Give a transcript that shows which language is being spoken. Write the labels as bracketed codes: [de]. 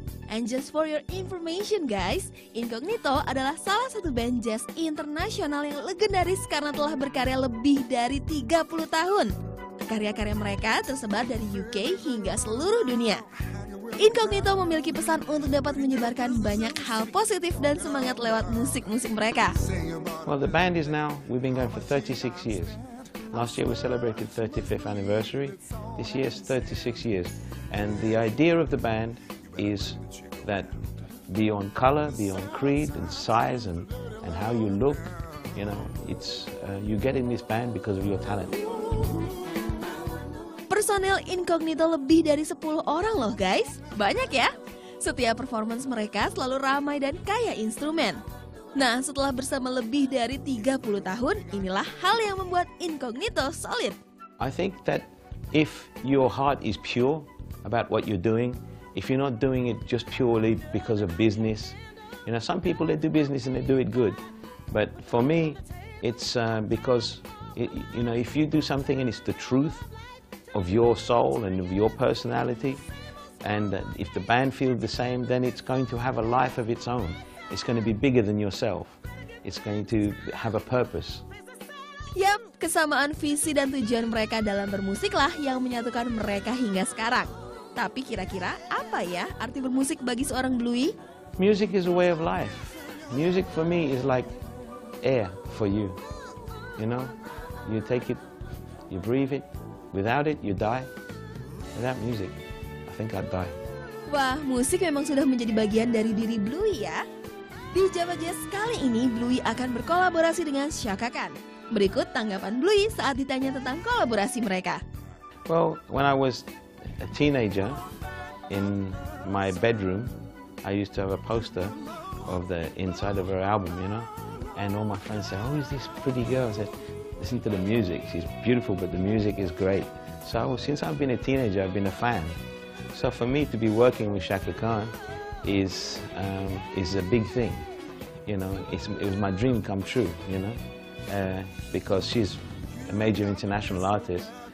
[en] And just for your information guys, [id] Incognito adalah salah satu band jazz internasional yang legendaris karena telah berkarya lebih dari 30 tahun. Karya-karya mereka tersebar dari UK hingga seluruh dunia. Incognito memiliki pesan untuk dapat menyebarkan banyak hal positif dan semangat lewat musik-musik mereka. [en] Well, the band is now, we've been going for 36 years. Last year we celebrated 35th anniversary, this year's 36 years. And the idea of the band is that beyond color, beyond creed and size and how you look, you know, it's you get in this band because of your talent. [id] Personel Incognito lebih dari 10 orang loh guys, banyak ya. Setiap performance mereka selalu ramai dan kaya instrumen. Nah, setelah bersama lebih dari 30 tahun, inilah hal yang membuat Incognito solid. [en] I think that if your heart is pure about what you're doing, if you're not doing it just purely because of business, you know, some people they do business and they do it good, but for me, it's because, it, you know, if you do something and it's the truth of your soul and of your personality, and if the band feels the same, then it's going to have a life of its own. It's going to be bigger than yourself. It's going to have a purpose. [id] Yep, kesamaan visi dan tujuan mereka dalam bermusiklah yang menyatukan mereka hingga sekarang. Tapi kira-kira apa ya arti bermusik bagi seorang Bluey? [en] Music is a way of life. Music for me is like air for you. You know, you take it, you breathe it. Without it, you die. Without music, I think I'd die. [id] Wah, musik memang sudah menjadi bagian dari diri Bluey ya. Di Java Jazz kali ini, Bluey akan berkolaborasi dengan Shaka Khan. Berikut tanggapan Bluey saat ditanya tentang kolaborasi mereka. [en] Well, when I was a teenager in my bedroom, I used to have a poster of the inside of her album, you know, and all my friends said, oh, who's this pretty girl? I said, listen to the music, she's beautiful, but the music is great. So since I've been a teenager, I've been a fan. So for me to be working with Shaka Khan is a big thing, you know, it was my dream come true, you know, because she's a major international artist.